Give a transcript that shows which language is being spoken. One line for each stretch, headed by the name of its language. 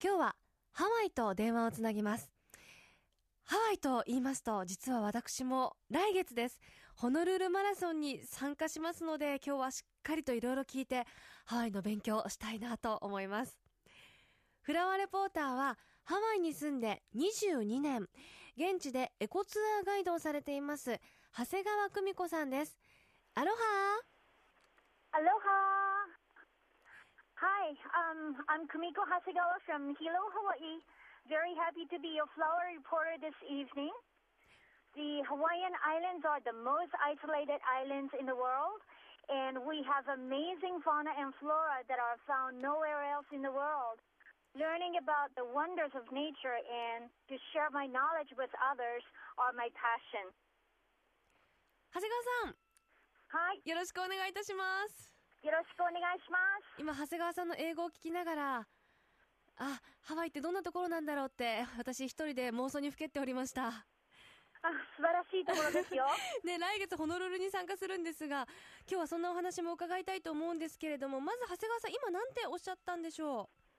Japanese: 今日はハワイと電話をつなぎます。ハワイと言いますと、実は私も来月ですホノルルマラソンに参加しますので、今日はしっかりといろいろ聞いてハワイの勉強をしたいなと思います。フラワーレポーターはハワイに住んで22年、現地でエコツアーガイドをされています長谷川久美子さんです。アロハー。アロハー。
English: Hi, I'm Kumiko Hasegawa from Hilo, Hawaii. Very happy to be your flower reporter this evening. The Hawaiian Islands are the most isolated islands in the world, and we have amazing fauna and flora that are found nowhere else in the world. Learning about the wonders of nature and to share my knowledge with others are my passion. Hasegawa-san! Hi!
Japanese: よろしくお願いいたします。よろしくお願いします。今長谷川さんの英語を聞きながら、あ、ハワイってどんなところなんだろうって私一人で妄想にふけっておりました。あ、素晴らしいところですよ。ね、来月ホノルルに参加するんですが、今日はそんなお話も伺いたいと思うんですけれども、まず長谷川さん今なんておっしゃったんでしょう。